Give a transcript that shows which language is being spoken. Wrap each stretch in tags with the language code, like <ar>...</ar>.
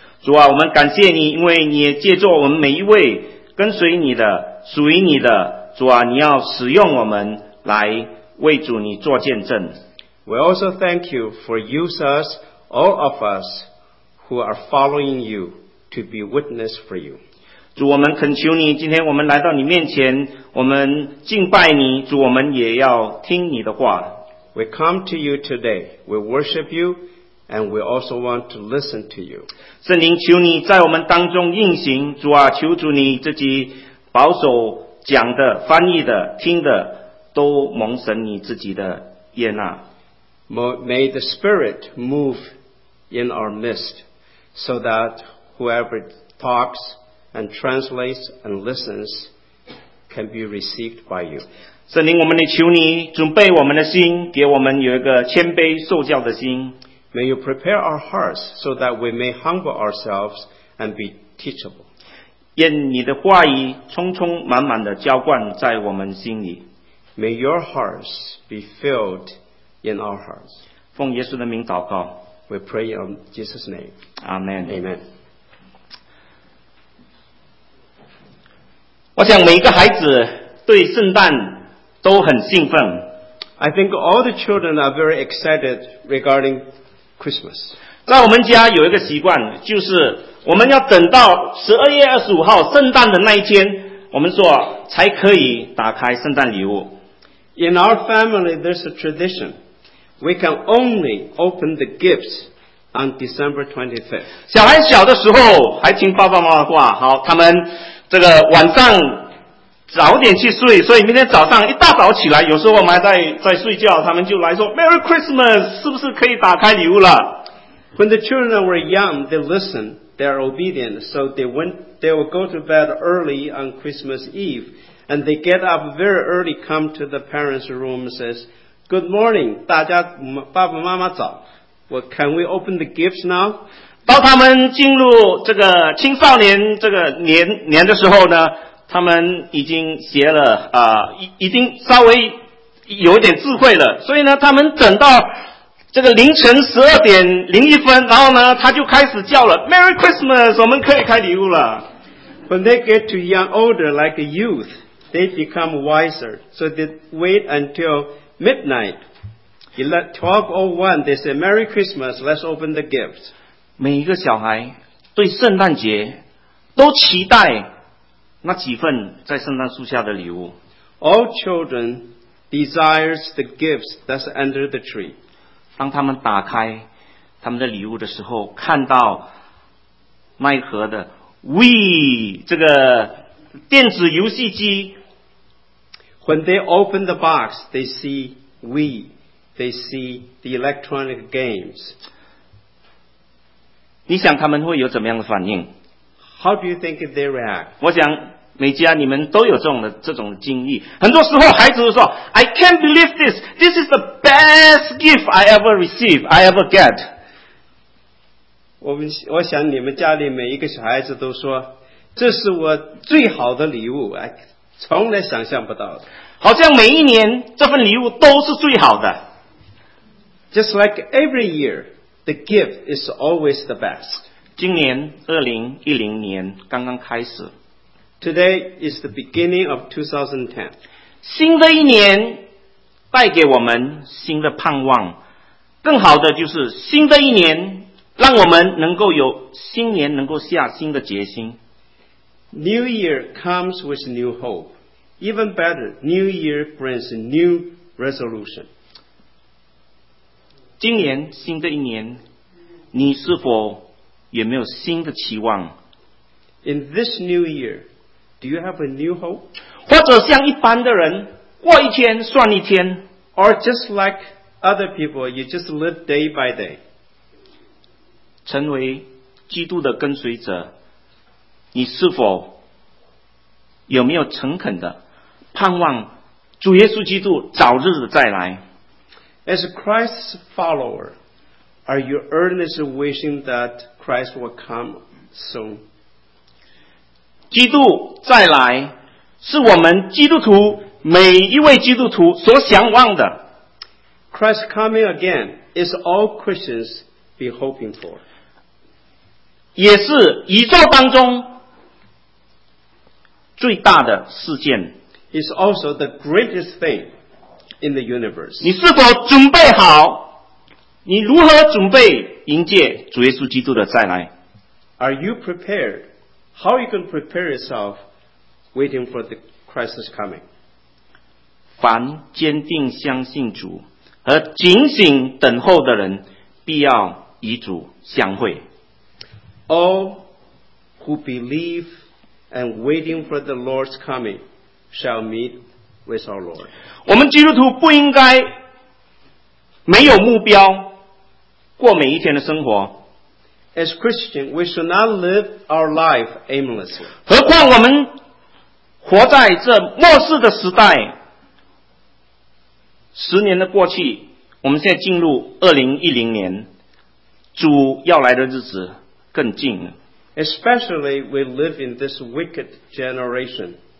<zh>主啊，我们感谢你，因为你也借助我们每一位跟随你的、属于你的，主啊，你要使用我们来为主你做见证。</zh> <en>We also thank you for use us, all of us. Who are following you to be witness for you.</en> <zh>主，我们恳求你，今天我们来到你面前，我们敬拜你，主，我们也要听你的话。</zh> <en>We come to you today, we worship you, and we also want to listen to you.</en> <zh>圣灵，求你在我们当中运行，主啊，求主你自己保守讲的、翻译的、听的，都蒙神你自己的悦纳。</zh> <en>May the Spirit move in our midst. So that whoever talks and translates and listens can be received by you.</en> <zh>圣灵，我们也求你准备我们的心，给我们有一个谦卑受教的心。</zh> <en>May you prepare our hearts so that we may humble ourselves and be teachable.</en> <zh>愿你的话语充充满满的浇灌在我们心里。</zh> <en>May your hearts be filled in our hearts.</en> <zh>奉耶稣的名祷告。</zh> <en>We pray in Jesus' name. Amen. Amen.</en> <zh>我想每一个孩子对圣诞都很兴奋。</zh> <en>I think all the children are very excited regarding Christmas.</en> <zh>在我们家有一个习惯，就是我们要等到12月25号圣诞的那一天，我们说才可以打开圣诞礼物。</zh> <en>In our family, there's a tradition. We can only open the gifts on December 25th.</en> <zh>小孩小的时候还听爸爸妈妈话，好，他们这个晚上早点去睡，所以明天早上一大早起来，有时候我们还在睡觉，他们就来说</zh> <en>Merry Christmas,</en> <zh>是不是可以打开礼物了？</zh> <en>When the children were young, they listened, they are obedient, so they will go to bed early on Christmas Eve, and they get up very early, come to the parents' room and says,Good morning,</en> <zh>大家爸爸妈妈早。</zh> <en>Well, can we open the gifts now?</en> <zh>当他们进入这个青少年这个年的时候呢，他们已经学了已经稍微有一点智慧了。所以呢，他们等到这个凌晨12:01，然后呢，他就开始叫了 ，</zh> <en>Merry Christmas,</en> <zh>我们可以开礼物了。</zh> <en>When they get to young older, like a youth, they become wiser. So they wait until. Midnight, 12:01, they say, Merry Christmas, let's open the gifts.</en> <zh>每一个小孩对圣诞节都期待那几份在圣诞树下的礼物。</zh> <en>All children desire the gifts that's under the tree.</en> <zh>当他们打开他们的礼物的时候，看到那一盒的 Wii, 这个电子游戏机，</zh> <en>When they open the box, they see Wii, they see the electronic games.</en> <zh>你想他们会有怎么样的反应？</zh> <en>How do you think they react?</en> <zh>我想每家你们都有这种经历。很多时候孩子说</zh> <en>I can't believe this. This is the best gift I ever received, I ever get.</en> <zh>我想你们家里每一个小孩子都说这是我最好的礼物，从来想象不到的。好像每一年这份礼物都是最好的。</zh> <en>Just like every year, the gift is always the best.</en> <zh>今年2010年刚刚开始。</zh> <en>Today is the beginning of 2010.</en> <zh>新的一年带给我们新的盼望。更好的就是新的一年让我们能够有新年能够下新的决心。</zh> <en>New year comes with new hope. Even better, new year brings a new resolution.</en> <zh>今年新的一年你是否有没有新的期望？</zh> <en>In this new year, do you have a new hope?</en> <zh>或者像一般的人过一天算一天。</zh> <en>Or just like other people, you just live day by day.</en> <zh>成为基督的跟随者，你是否有没有诚恳的盼望主耶稣基督早日的再来？</zh> <en>As Christ's follower, are you earnestly wishing that Christ will come soon?</en> <zh>基督再来是我们基督徒每一位基督徒所向往的。</zh> <en>Christ coming again is all Christians be hoping for.</en> <zh>也是宇宙当中最大的事件。</zh> <en>It's also the greatest thing in the universe.</en> <zh>你是否准备好？你如何准备迎接主耶稣基督的再来？</zh> <en>Are you prepared? How you can prepare yourself waiting for the Christ's coming?</en> <zh>凡坚定相信主和警醒等候的人必要与主相会。</zh> <en>All who believe and waiting for the Lord's coming shall meet with our Lord.</en> <zh>我们基督徒不应该没有目标过每一天的生活。</zh> <en>As Christians, we should not live our life aimlessly.</en> <zh>何况我们活在这末世的时代，十年的过去，我们现在进入2010年，主要来的日子更近了。</zh> <en>Especially we live in this wicked generation.</en>